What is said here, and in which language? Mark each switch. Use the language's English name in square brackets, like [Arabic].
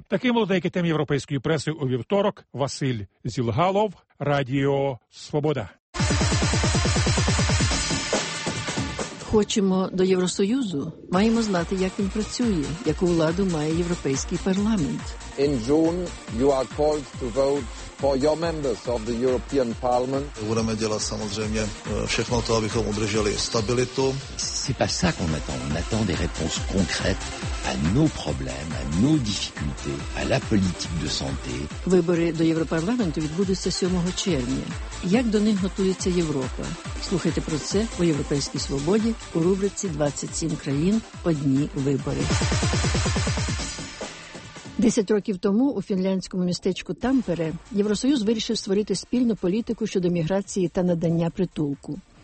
[Ukrainian] Таким був деякий тем європейської преси у вівторок. Василь Зілгалов, Радіо Свобода. Хочемо до Євросоюзу? Маємо знати, як він працює, яку владу має Європейський парламент. [English] In June, you are called to vote for your members of the European Parliament. [Czech] Budeme dělat samozřejmě všechno to, abychom udrželi stabilitu. [French] C'est pas ça qu'on attend. On attend des réponses concrètes à nos problèmes, à nos difficultés, à la politique de santé. [Ukrainian] Вибори до Європарламенту відбудуться 7 червня. Як до них готується Європа? Слухайте про це у Європейській свободі у рубриці «27 країн. Одні вибори». 10 років тому у фінляндському містечку Тампере Євросоюз вирішив створити спільну політику щодо міграції та надання притулку.